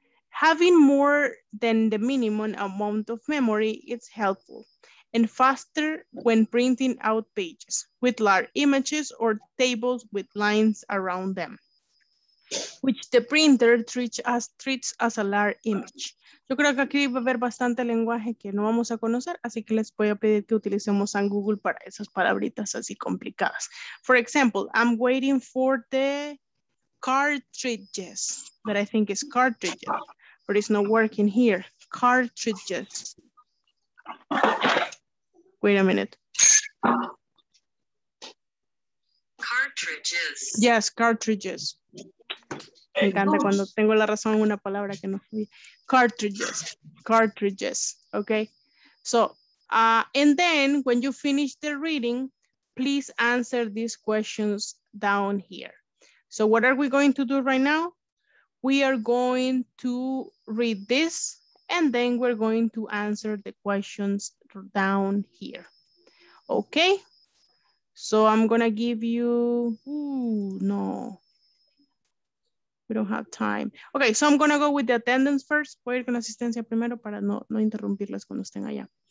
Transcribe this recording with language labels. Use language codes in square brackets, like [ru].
[en] Having more than the minimum amount of memory is helpful and faster when printing out pages with large images or tables with lines around them, which the printer treats as a large image. [es] Yo creo que aquí va a haber bastante lenguaje que no vamos a conocer, así que les voy a pedir que utilicemos San Google para esas palabritas así complicadas. [en] For example, I'm waiting for the cartridges, that I think is cartridges, but it's not working here. Cartridges. Wait a minute. Cartridges. Yes, cartridges. [es] Me encanta cuando tengo la razón en una palabra que no fui. [en] Cartridges. Cartridges. Okay. So, and then when you finish the reading, please answer these questions down here. So what are we going to do right now? We are going to read this and then we're going to answer the questions down here. Okay. So I'm gonna give you, we don't have time. Okay, so I'm gonna go with the attendance first. [es] Voy a ir con asistencia primero para no interrumpirlas cuando estén allá.